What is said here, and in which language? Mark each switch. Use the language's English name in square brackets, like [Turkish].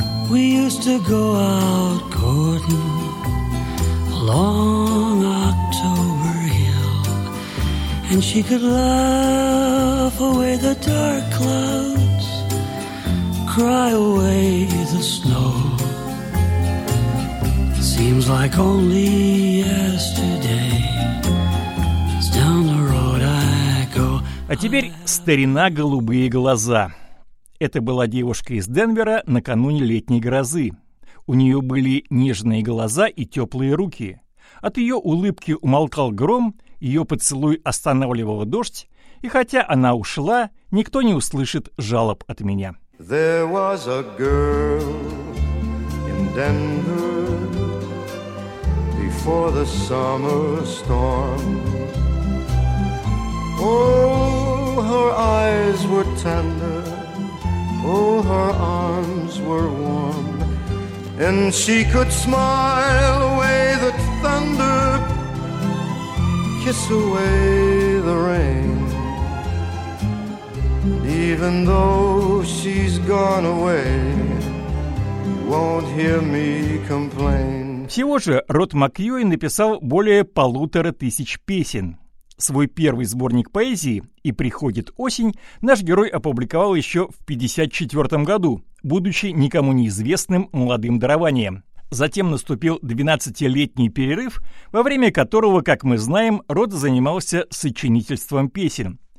[English] We used to go out courting along October Hill, and she could laugh away the dark clouds, cry away the snow. Seems like only yesterday. Down the road I go. [Russian] А теперь старина голубые глаза. Это была девушка из Денвера накануне летней грозы. У нее были нежные глаза и теплые руки. От ее улыбки умолкал гром, ее поцелуй останавливал дождь, и хотя она ушла, никто не услышит жалоб от меня. [English] There was a girl in Denver before the summer storm. Oh, her eyes were tender. Oh, her arms were warm, and she could smile away the thunder, kiss away the rain. And even though she's gone away, you won't hear me complain. [Russian] Всего же Рот МакЮэй написал более 1500 песен. Свой первый сборник поэзии «И приходит осень» наш герой опубликовал еще в 1954 году, будучи никому неизвестным молодым дарованием. Затем наступил 12-летний перерыв, во время которого, как мы знаем, Рот занимался сочинительством песен.